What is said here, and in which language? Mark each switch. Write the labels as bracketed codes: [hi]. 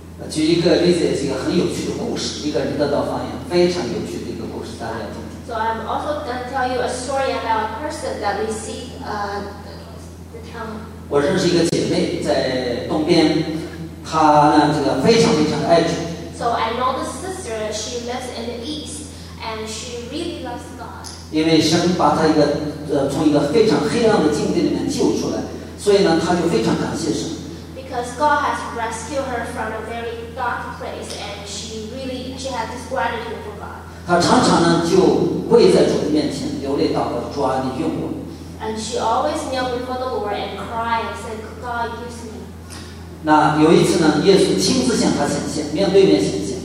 [zh] 举一个例子，一个很有趣的故事，一个人得到方言，非常有趣的一个故事，大家听。 [en] So I'm also going to tell you a story about a person that received the tongue. [zh] 我认识一个姐妹在东边，她呢这个非常非常爱主。 [en] So I know the sister, she lives in the east. And she really loves God. [zh] 因为神把她一个从一个非常黑暗的境地里面救出来，所以呢，她就非常感谢神。 [en] Because God has rescued her from a very dark place, and she has this gratitude for God. [zh] 她常常呢就跪在主的面前流泪祷告，主啊，你用我。 [en] And she always kneels before the Lord and cries and says, God, use me. [zh] 那有一次呢，耶稣亲自向她显现，面对面显现。